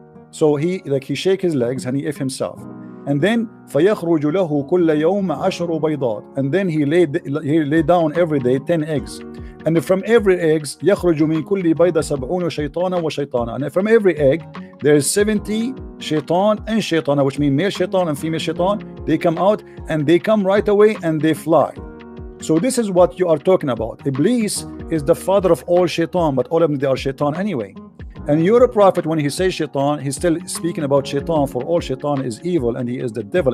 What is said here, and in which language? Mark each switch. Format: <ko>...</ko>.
<en>So he, like, he shake his legs and he if himself. And then</en> <ar>فَيَخْرُجُ لَهُ كُلَّ يَوْمَ عَشْرُ بَيْضَاتٍ.</ar> <en>And then he lay down every day 10 eggs. And from every eggs,</en> <ar>يَخْرُجُ مِنْ كُلِّ بَيْضَ سَبْعُونَ شَيْطَانَ وَشَيْطَانَ.</ar> <en>And from every egg, there is 70 shaitan and shaitana, which means male shaitan and female shaitan. They come out and they come right away and they fly. So this is what you are talking about. Iblis is the father of all shaitan, but all of them, they are shaitan anyway. And your prophet, when he says shaitan, he's still speaking about shaitan, for all shaitan is evil and he is the devil.</en>